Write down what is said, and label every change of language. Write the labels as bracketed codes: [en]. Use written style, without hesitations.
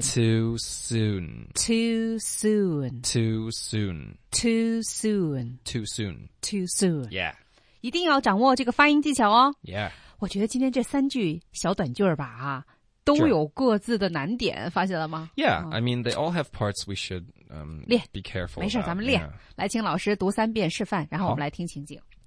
[en] too soon， too soon， too soon， too soon， too soon， too soon。 Yeah， [zh] 一定要掌握这个发音技巧哦。 [en] Yeah， [zh] 我觉得今天这三句小短句吧啊都有各自的难点，发现了吗？ [en] Yeah， I mean they all have parts we should be careful。 [zh] 没事，咱们练、 [en] yeah. [zh] 来请老师读三遍示范，然后我们来听情景。